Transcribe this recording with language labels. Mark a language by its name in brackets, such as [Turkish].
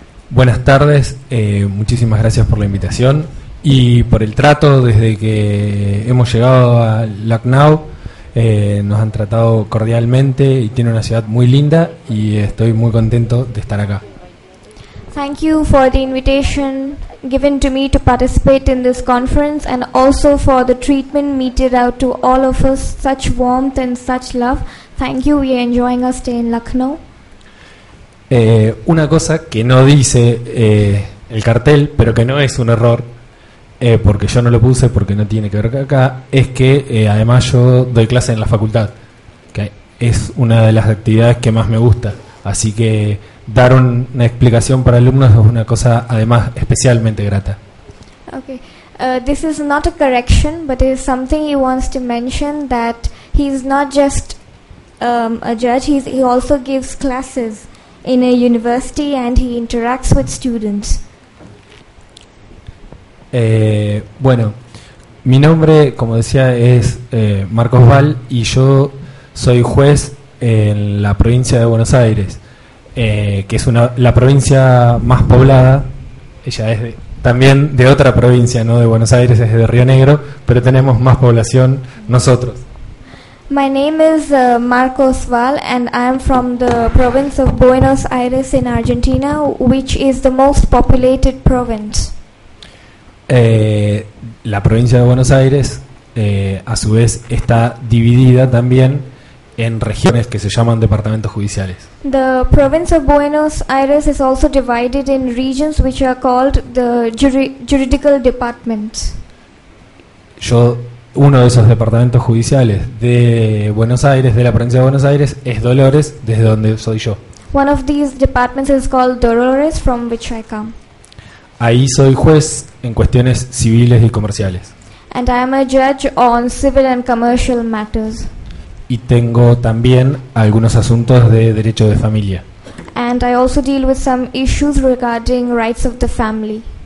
[Spanish] Buenas tardes, muchísimas gracias por la invitación y por el trato. Desde que hemos llegado a Lucknow, nos han tratado cordialmente y tiene una ciudad muy linda y estoy muy contento de estar acá. [English] Thank you for the invitation given to me to participate in this conference and also for the treatment meted out to all of us, such warmth and such love. Thank you, we are enjoying our stay in Lucknow. [Spanish] Una cosa que no dice el cartel, pero que no es un error, porque yo no lo puse, porque no tiene que ver acá, es que además yo doy clase en la facultad, que es una de las actividades que más me gusta. Así que dar una explicación para alumnos es una cosa además especialmente grata. [English] Okay. This is not a correction, but it is something he wants to mention, that he's not just a judge, he also gives classes in a university and he interacts with students. [Spanish] Bueno, mi nombre, como decía, es Marcos Val y yo soy juez en la provincia de Buenos Aires, que es la provincia más poblada. Ella es también de otra provincia, no de Buenos Aires, es de Río Negro, pero tenemos más población nosotros. [English] My name is Marcos Val and I am from the province of Buenos Aires in Argentina, which is the most populated province. [Spanish] La provincia de Buenos Aires a su vez está dividida también en regiones que se llaman departamentos judiciales. [English] The province of Buenos Aires is also divided in regions which are called the juridical departments. [Spanish] Uno de esos departamentos judiciales de Buenos Aires, de la provincia de Buenos Aires, es Dolores, desde donde soy yo. [English] One of these departments is called Dolores, from which I come. [Spanish] Ahí soy juez en cuestiones civiles y comerciales. [English] And I am a judge on civil and commercial matters. [Spanish] Y tengo también algunos asuntos de derecho de familia. [English] And I also deal with some issues regarding rights of the family.